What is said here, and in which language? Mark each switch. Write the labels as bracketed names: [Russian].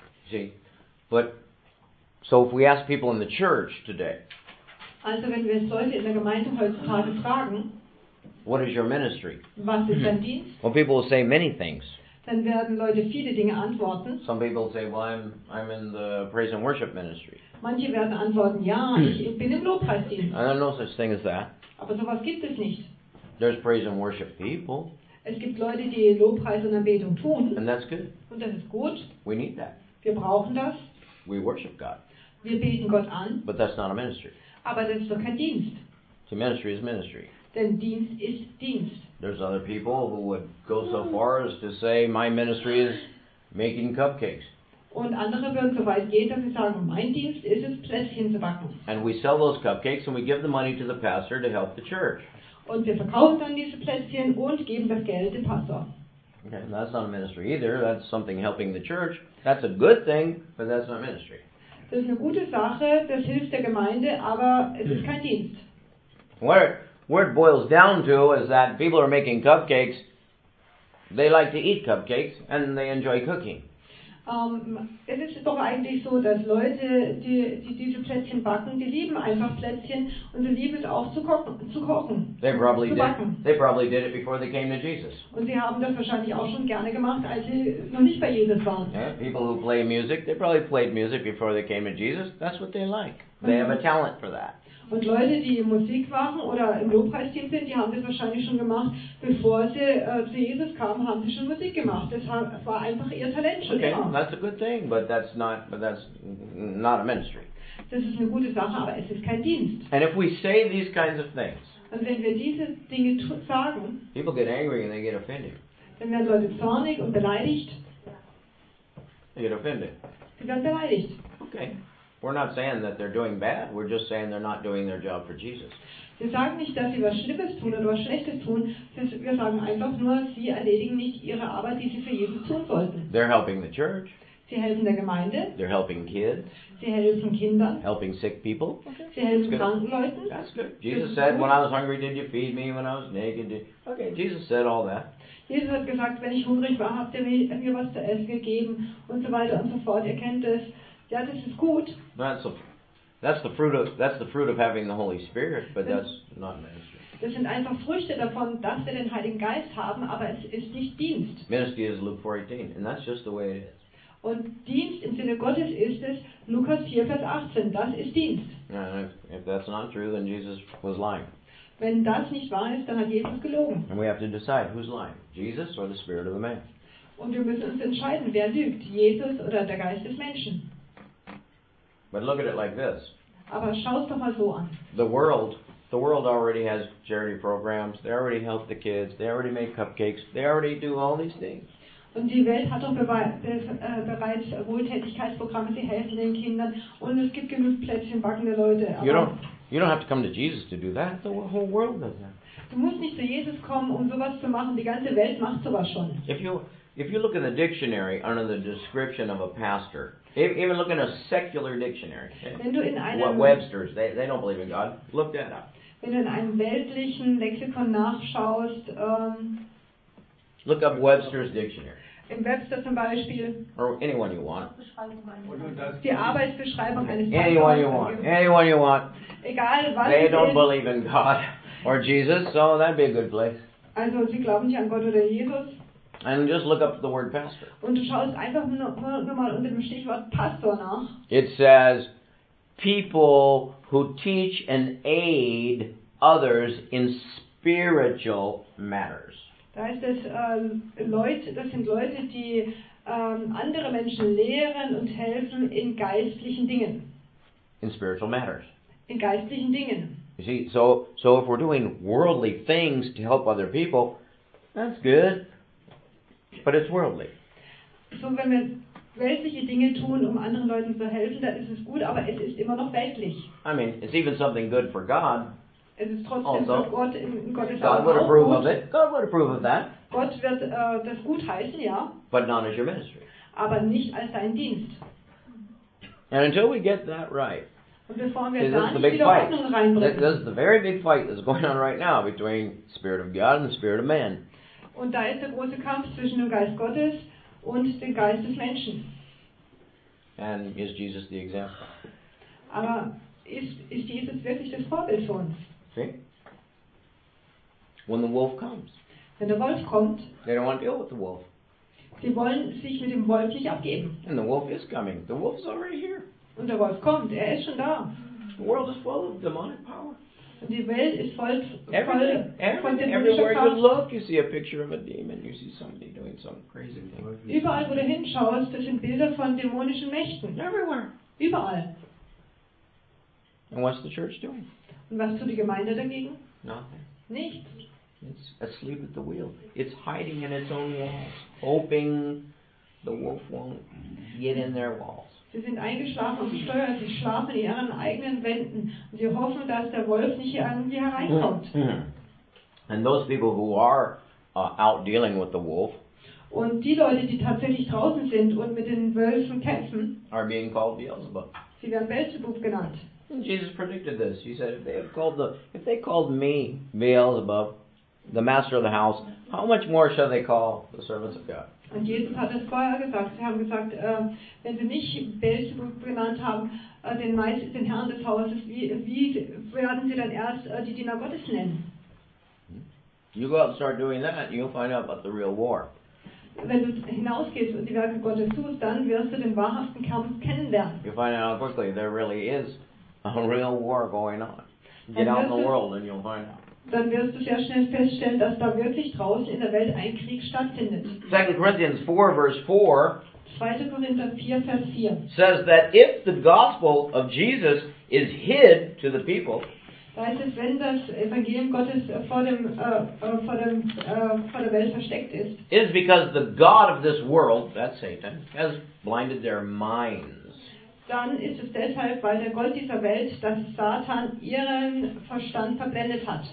[English] See, but so if we ask people in the church today, [German] also wenn wir Leute in der Gemeinde heutzutage fragen, [English] what is your ministry? [German] Was ist dein Dienst? [English] Well, people will say many things. [German] Dann werden Leute viele Dinge antworten. [English] Some people say, well, I'm in the praise and worship ministry. [German] Manche werden antworten, ja, ich bin im Lobpreisdienst. [English] I don't know such thing as that. [German] Aber sowas gibt es nicht. [English] There's praise and worship people. [German] Es gibt Leute, die Lobpreis und Anbetung tun. [English] And that's good. [German] Und das ist gut. [English] We need that. [German] Wir brauchen das. [English] We worship God. [German] Wir beten Gott an. [English] But that's not a ministry. [German] Aber das ist doch kein Dienst. [English] So ministry is ministry. [German] Denn Dienst ist Dienst. [English] There's other people who would go so far as to say, my ministry is making cupcakes. [German] Und andere würden so weit gehen, dass sie sagen, mein Dienst ist es, Plätzchen zu backen. [English] And we sell those cupcakes and we give the money to the pastor to help the church. [German] Und wir verkaufen dann diese Plätzchen und geben das Geld dem Pastor. [English] Okay, that's not a ministry either. That's something helping the church. That's a good thing, but that's not ministry. [German] Das ist eine gute Sache, das hilft der Gemeinde, aber es ist kein Dienst. [English] Where it boils down to is that people are making cupcakes. They like to eat cupcakes and they enjoy cooking. [German] Es ist doch eigentlich so, dass Leute, die diese Plätzchen backen, die lieben einfach Plätzchen und sie lieben es auch zu kochen. [English] They probably did it before they came to Jesus. [German] Und sie haben das wahrscheinlich auch schon gerne gemacht, als sie noch nicht bei Jesus waren. [English] Yeah, people who play music, they probably played music before they came to Jesus. That's what they like. They have a talent for that. [German] Und Leute, die Musik machen oder im Lobpreisteam sind, die haben das wahrscheinlich schon gemacht, bevor sie zu Jesus kamen, haben sie schon Musik gemacht. Das war einfach ihr Talent schon. [English] Okay, that's a good thing, but that's not a ministry. [German] Das ist eine gute Sache, aber es ist kein Dienst. [English] And if we say these kinds of things, [German] und wenn wir diese Dinge sagen, [English] people get angry and they get offended. [German] Dann werden Leute zornig und beleidigt. [English] They get offended. [German] Sie werden beleidigt. [English] Okay. We're not saying that they're doing bad. We're just saying they're not doing their job for Jesus. [German] Sie sagen nicht, dass sie was Schlimmes tun oder was Schlechtes tun. Wir sagen einfach nur, sie erledigen nicht ihre Arbeit, die sie für Jesus tun sollten. [English] They're helping the church. [German] Sie helfen der Gemeinde. [English] They're helping kids. [German] Sie helfen Kindern. [English] Helping sick people. [German] Okay. Sie helfen kranken Leuten. [English] That's good. Jesus said, when I was hungry, did you feed me? When I was naked, did... Okay, Jesus said all that. [German] Jesus hat gesagt, wenn ich hungrig war, habt ihr mir was zu essen gegeben und so weiter und so fort. Ihr kennt es. Ja, das ist gut. [English] That's the fruit of having the Holy Spirit, but that's not ministry. [German] Das sind einfach Früchte davon, dass wir den Heiligen Geist haben, aber es ist nicht Dienst. [English] Ministry is Luke 4:18, and that's just the way it is. [German] Und Dienst im Sinne Gottes ist es Lukas 4, Vers 18. Das ist Dienst. [English] If that's not true, then Jesus was lying. [German] Wenn das nicht wahr ist, dann hat Jesus gelogen. [English] And we have to decide who's lying, Jesus or the Spirit of the man. [German] Und wir müssen uns entscheiden, wer lügt, Jesus oder der Geist des Menschen. [English] But look at it like this. [German] Aber schau es doch mal so an. [English] The world already has charity programs. They already help the kids. They already make cupcakes. They already do all these things. [German] Und die Welt hat doch bereits Wohltätigkeitsprogramme. Sie helfen den Kindern. Und es gibt genug Plätzchen backende Leute. [English] You don't have to come to Jesus to do that. The whole world does that. [German] Du musst nicht zu Jesus kommen, um sowas zu machen. Die ganze Welt macht sowas schon. [English] If you look in the dictionary under the description of a pastor, even look in a secular dictionary. [German] Wenn du in einem, [English] what Webster's, they don't believe in God. Look that up. [German] Wenn du in einem weltlichen Lexikon nachschaust, [English] look up Webster's Dictionary. [German] In Webster zum Beispiel. [English] Or anyone you want. [German] Die Arbeitsbeschreibung eines [English] Pastors. Anyone you want. Anyone you want. [German] Egal was. [English] They don't believe in God or Jesus, so that'd be a good place. [German] Also, sie glauben nicht an Gott oder Jesus. [English] And just look up the word pastor. [German] Und du schaust einfach nur mal unter dem Stichwort Pastor nach. [English] It says people who teach and aid others in spiritual matters. [German] Da heißt es Leute, die andere Menschen lehren und helfen in geistlichen Dingen. [English] In spiritual matters. [German] In geistlichen Dingen. [English] You see, so if we're doing worldly things to help other people, that's good. But it's worldly. [German] So wenn wir weltliche Dinge tun, um anderen Leuten zu helfen, dann ist es gut, aber es ist immer noch weltlich. [English] I mean, it's even something good for God. [German] Es ist trotzdem also, Gott in Gottes [English] God would approve of it. God would approve of that. [German] Gott wird das gut heißen, ja. [English] But not as your ministry. [German] Aber nicht als dein Dienst. [English] And until we get that right. [German] Und bevor wir da nicht wieder Ordnung reinbringen. [English] This is the very big fight that's going on right now between the Spirit of God and the Spirit of man. [German] Und da ist der große Kampf zwischen dem Geist Gottes und dem Geist des Menschen. [English] And is Jesus the example? [German] Aber ist Jesus wirklich das Vorbild für uns? [English] See? When the wolf comes. [German] Wenn der Wolf kommt. [English] They don't want to deal with the wolf. [German] Sie wollen sich mit dem Wolf nicht abgeben. [English] And the wolf is coming. The wolf is already here. [German] Und der Wolf kommt. Er ist schon da. [English] The world is full of demonic power. [German] die Welt ist voll, [English] everywhere you look, you see a picture of a demon, you see somebody doing some crazy thing. [German] Überall, wo du hinschaust, das sind Bilder von dämonischen Mächten. [English] Everywhere. [German] Überall. [English] And what's the church doing? [German] Und was tut die Gemeinde dagegen? [English] Nothing. [German] Nichts. [English] It's asleep at the wheel. It's hiding in its own walls, hoping the wolf won't get in their walls. [German] Sie sind eingeschlafen am Steuer. Sie schlafen in ihren eigenen Wänden. Sie hoffen, dass der Wolf nicht an sie hereinkommt. [English] And those people who are out dealing with the wolf. [German] Und die Leute, die tatsächlich draußen sind und mit den Wölfen kämpfen, [English] are being called Beelzebub. [German] Sie werden Beelzebub genannt. [English] And Jesus predicted this. He said, if they called me Beelzebub, the master of the house, how much more shall they call the servants of God? [German] Und Jesus hat es vorher gesagt. Sie haben gesagt, wenn sie mich Beelzebub genannt haben, den Herrn des Hauses, wie werden sie dann erst die Diener Gottes nennen? [English] You go out and start doing that, you'll find out about the real war. [German] Wenn du hinausgehst und die Werke Gottes tust, dann wirst du den wahrhaften Kampf kennenlernen. [English] You find out quickly there really is a real war going on. Get out in the world and you'll find out. [German] Dann wirst du sehr schnell feststellen, dass da wirklich draußen in der Welt ein Krieg stattfindet. [English] 2 Corinthians 4, verse 4, [German] 2. Korinther 4, Vers 4 [English] says that if the gospel of Jesus is hid to the people, [German] da heißt es, wenn das Evangelium Gottes vor der Welt versteckt ist, [English] is because the God of this world, that's Satan, has blinded their minds. [German] Dann ist es deshalb, weil der Gott dieser Welt, dass Satan ihren Verstand verblendet hat.